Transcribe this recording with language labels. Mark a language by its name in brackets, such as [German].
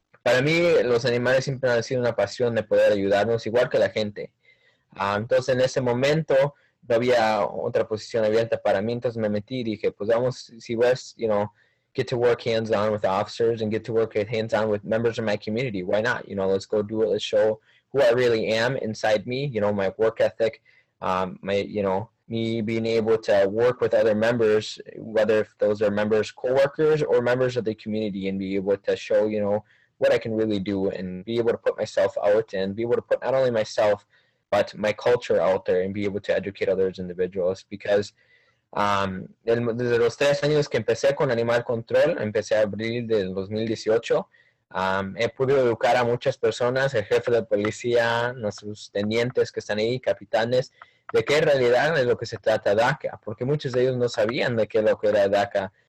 [Spanish] Para mí, los animales siempre han sido una pasión de poder ayudarnos, igual que la gente. Entonces, en ese momento, no había otra posición abierta para mí. Entonces, me metí y dije, pues vamos, si vas, [English] you know, get to work hands-on with officers and get to work hands-on with members of my community. Why not? You know, let's go do it. Let's show who I really am inside me, you know, my work ethic, my, you know, me being able to work with other members, whether if those are members, coworkers, or members of the community, and be able to show, you know, what I can really do and be able to put myself out and be able to put not only myself, but my culture out there and be able to educate other individuals. Because [Spanish] desde los 3 años que empecé con Animal Control, empecé abril de 2018, he podido educar a muchas personas, el jefe de policía, nuestros tenientes que están ahí, capitanes, de qué realidad es lo que se trata DACA, porque muchos de ellos no sabían de qué es lo que era DACA.